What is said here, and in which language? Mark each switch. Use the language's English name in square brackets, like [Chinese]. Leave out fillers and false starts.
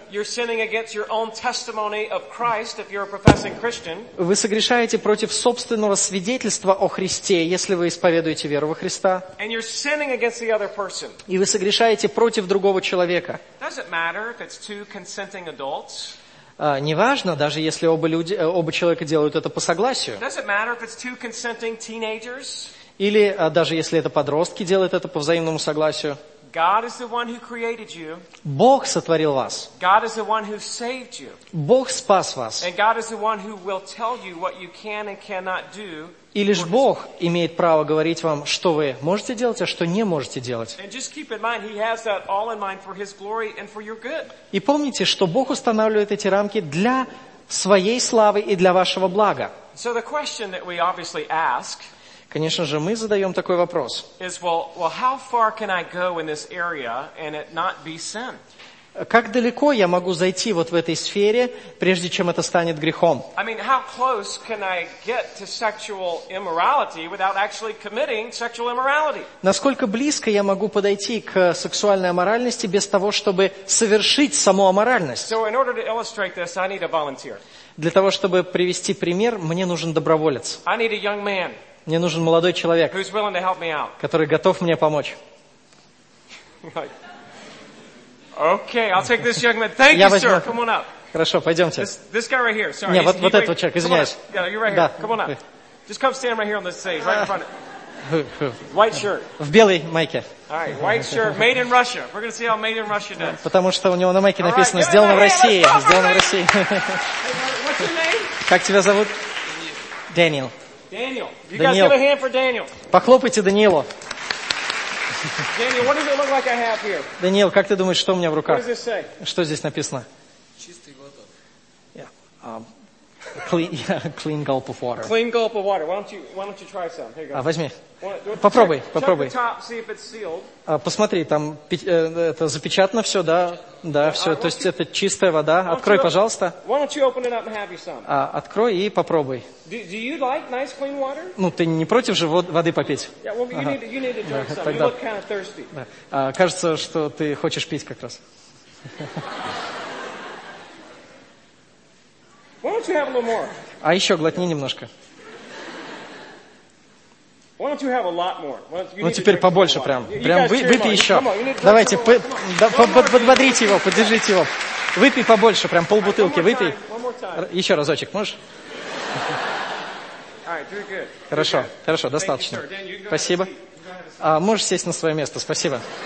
[English] You're sinning against your own testimony of Christ, if you're a professing Christian. [Russian] Вы согрешаете против собственного свидетельства о Христе, если вы исповедуете веру во Христа. [English] And you're sinning against the other person. [Russian] И вы согрешаете против другого человека. [English] Does it matter if it's two consenting adults? [Russian] Неважно, даже если оба человека делают это по согласию. [English] Does it matter if it's two consenting teenagers? [Russian] Или даже если это подростки делают это по взаимному согласию. [English] God is the one who created you. [Russian] Бог сотворил вас. [English] God is the one who saved you. [Russian] Бог спас вас. [English] And God is the one who will tell you what you can and cannot do. [Russian] И лишь Бог имеет право говорить вам, что вы можете делать, а что не можете делать. [English] And just keep in mind, he has that all in mind for his glory and for your good. [Russian] И помните, что Бог устанавливает эти рамки для своей славы и для вашего блага. [English] So the question that we obviously ask, [Russian] конечно же, мы задаем такой вопрос. [English] Is, well, how far can I go in this area and it not be sin? [Russian] Как далеко я могу зайти вот в этой сфере, прежде чем это станет грехом? [English] I mean, how close can I get to sexual immorality without actually committing sexual immorality? [Russian] Насколько близко я могу подойти к сексуальной аморальности без того, чтобы совершить саму аморальность? [English] So in order to illustrate this, I need a volunteer. [Russian] Для того, чтобы привести пример, мне нужен доброволец. [English] I need a young man. [Russian] Мне нужен молодой человек, [English] who's willing to help me out. [Russian] Который готов мне помочь. [English] Okay, I'll take this young man. Thank you, sir. Come on up. [Russian] Хорошо, пойдемте. [English] This guy right here. Sorry. [Russian] Не, вот этот человек, извиняюсь. [English] Yeah, you're right here. Come on up. Just come stand right here on the stage, right in front of. White shirt. [Russian] В белой майке. [English] Alright, white shirt, made in Russia. We're gonna see how made in Russia does. [Russian] Потому что у него на майке написано сделано в России. Сделано в России. [English] What's your name? [Russian] Как тебя зовут? Daniel. [English] Daniel. You guys give a hand for Daniel. [Russian] Похлопайте Даниилу. [English] Daniel, what does it look like I have here? [Russian] Даниил, как ты думаешь, что у меня в руках? [English] What does this say? [Russian] Что здесь написано? Чистый глоток. [English] Clean gulp of water. Clean gulp of water. Why don't you try some? Here you go. [Russian] Возьми. Попробуй. [English] Check the top, see if it's sealed. [Russian] Посмотри, там это запечатано все, да? Да, все. То есть это чистая вода. Открой, пожалуйста. [English] Why don't you open it up and have you some? [Russian] Открой и попробуй. [English] Do you like nice clean water? [Russian] Ну, ты не против же воды попить? [English] Yeah, well, you need to drink some. Тогда. You look kind of thirsty. [Russian] Да. Кажется, что ты хочешь пить как раз. [English] Why don't you have a little more? [Russian] А еще глотни немножко. [English] Why don't you have a lot more? [Russian] Ну теперь побольше прям. Прям выпей еще. Давайте, подбодрите его, поддержите его. Выпей побольше, прям полбутылки выпей. Еще разочек, можешь? Хорошо, хорошо, достаточно. Спасибо. Можешь сесть на свое место, спасибо.